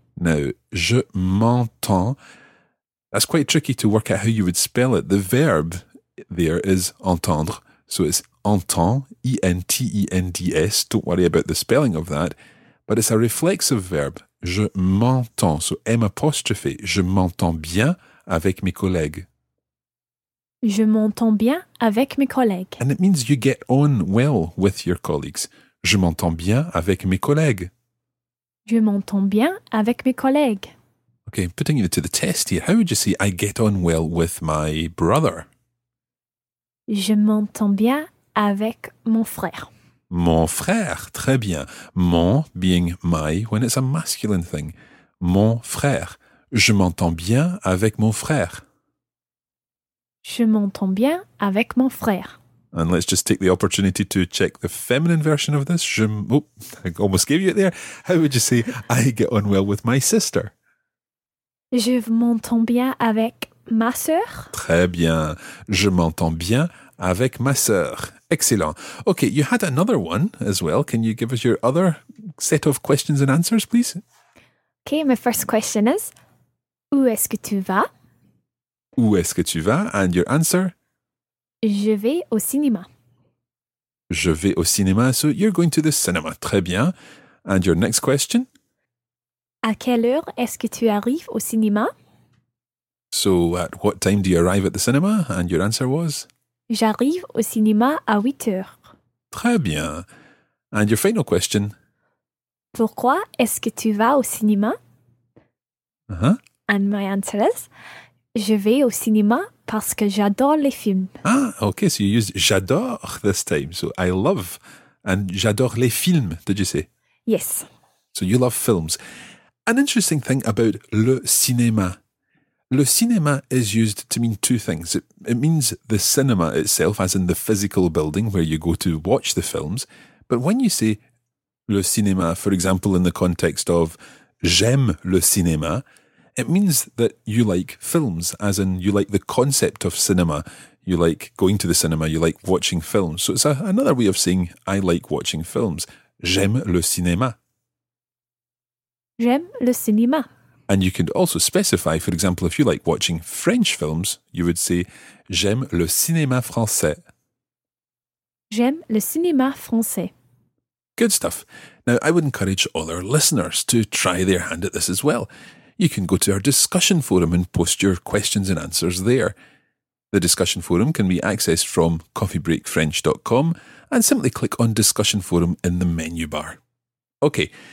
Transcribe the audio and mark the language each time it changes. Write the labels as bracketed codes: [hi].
[fr] Now, je m'entends. [en] That's quite tricky to work out how you would spell it. The verb there is entendre. So it's entend, E-N-T-E-N-D-S. Don't worry about the spelling of that. But it's a reflexive verb. [fr] Je m'entends. [en] So M apostrophe. [fr] Je m'entends bien avec mes collègues. Je m'entends bien avec mes collègues. [en] And it means you get on well with your colleagues. [fr] Je m'entends bien avec mes collègues. Je m'entends bien avec mes collègues. [en] Okay, putting it to the test here, how would you say I get on well with my brother? [fr] Je m'entends bien avec mon frère. Mon frère, très bien. [en] Mon being my when it's a masculine thing. [fr] Mon frère. Je m'entends bien avec mon frère. Je m'entends bien avec mon frère. [en] And let's just take the opportunity to check the feminine version of this. I almost gave you it there. How would you say I get on well with my sister? [fr] Je m'entends bien avec ma sœur. Très bien. Je m'entends bien avec ma sœur. [en] Excellent. Okay, you had another one as well. Can you give us your other set of questions and answers, please? Okay, my first question is, [fr] où est-ce que tu vas? Où est-ce que tu vas? [en] And your answer? [fr] Je vais au cinéma. Je vais au cinéma. [en] So you're going to the cinema. [fr] Très bien. [en] And your next question? [fr] À quelle heure est-ce que tu arrives au cinéma? [en] So at what time do you arrive at the cinema? And your answer was? [fr] J'arrive au cinéma à 8 heures. Très bien. [en] And your final question? [fr] Pourquoi est-ce que tu vas au cinéma? Uh-huh. [en] And my answer is, [fr] je vais au cinéma parce que j'adore les films. [en] Ah, okay, so you used j'adore this time. So I love and [fr] j'adore les films, [en] did you say? Yes. So you love films. An interesting thing about le cinéma. Le cinéma is used to mean two things. It means the cinema itself, as in the physical building where you go to watch the films. But when you say le cinéma, for example, in the context of [fr] j'aime le cinéma, [en] it means that you like films, as in you like the concept of cinema. You like going to the cinema, you like watching films. So it's another way of saying I like watching films. [fr] J'aime le cinéma. J'aime le cinéma. [en] And you can also specify, for example, if you like watching French films, you would say, [fr] j'aime le cinéma français. J'aime le cinéma français. [en] Good stuff. Now, I would encourage all our listeners to try their hand at this as well. You can go to our discussion forum and post your questions and answers there. The discussion forum can be accessed from coffeebreakfrench.com and simply click on discussion forum in the menu bar. Okay.